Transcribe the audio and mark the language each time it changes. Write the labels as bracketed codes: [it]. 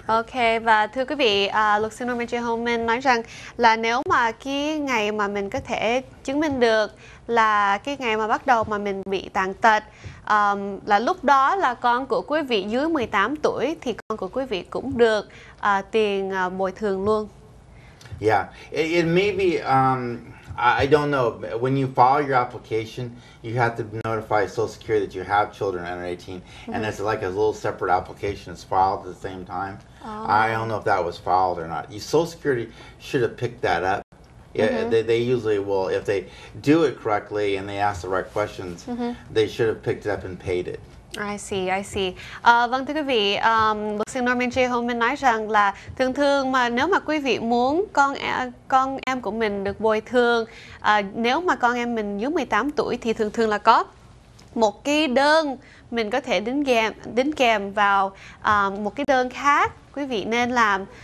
[vi] Okay, và thưa quý vị, luật sư Norman J. Homen nói rằng là nếu mà cái ngày mà mình có thể chứng minh được là cái ngày mà bắt đầu mà mình bị tàn tật, là lúc đó là con của quý vị dưới 18 tuổi thì con của quý vị cũng được tiền bồi thường luôn. [en] Yeah, it may be, I don't know, when you file your application, you have to notify Social Security that you have children under 18, mm-hmm. and it's like a little separate application, it's filed at the same time. Oh. I don't know if that was filed or not. Social Security should have picked that up. Yeah, mm-hmm. they usually will, if they do it correctly and they ask the right questions, mm-hmm. they should have picked it up and paid it. I see. [vi] Vâng thưa quý vị, luật sư Norman J. Homen nói rằng là thường thường mà nếu mà quý vị muốn con em của mình được bồi thường, nếu mà con em mình dưới 18 tuổi thì thường thường là có một cái đơn mình có thể đính kèm vào một cái đơn khác quý vị nên làm.